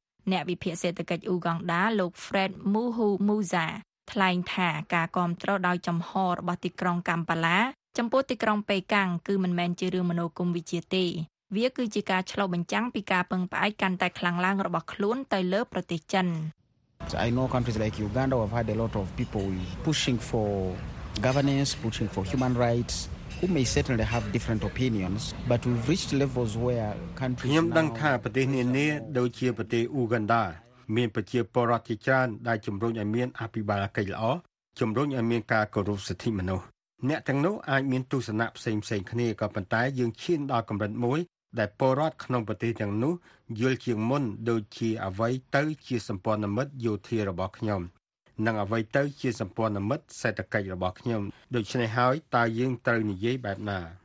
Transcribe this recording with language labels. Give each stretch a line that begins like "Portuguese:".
Khmer: អ្នកវិភាគសេដ្ឋកិច្ចអ៊ូកង់ដាលោក Fred Muhu Musa ថ្លែងថាការគាំទ្រដោយចំហរបស់ទីក្រុងកម្ពាឡាចំពោះទីក្រុងប៉េកាំងគឺមិនមែនជារឿងមនោគមវិជ្ជាទេវាគឺជាការឆ្លុះបញ្ចាំងពីការពឹងផ្អែកកាន់តែខ្លាំងឡើងរបស់ខ្លួនទៅលើប្រទេសចិន
English: I know countries like Uganda have had a lot of people pushing for governance, pushing for human rights, who may certainly have different opinions, but we've reached levels where countries
Khmer: ខ្ញុំដឹងថាប្រទេសនានាដូចជាប្រទេសអូហ្គង់ដាមានប្រជាពលរដ្ឋជាច្រើនដែលជំរុញឲ្យមានអភិបាលកិច្ចល្អជំរុញឲ្យមានការគោរពសិទ្ធិមនុស្សអ្នកទាំងនោះអាចមានទស្សនៈផ្សេងផ្សេងគ្នាក៏ប៉ុន្តែយើងឈានដល់កម្រិតមួយដែលពលរដ្ឋក្នុងប្រទេសទាំងនោះយល់ជាងមុនដូចជាអ្វីទៅជាសម្ព័ន្ធមិត្តយោធារបស់ខ្ញុំនិងអ្វីទៅជាសម្ព័ន្ធមិត្តសេដ្ឋកិច្ចរបស់ខ្ញុំដូច្នេះហើយតើយើងត្រូវនិយាយបែបណា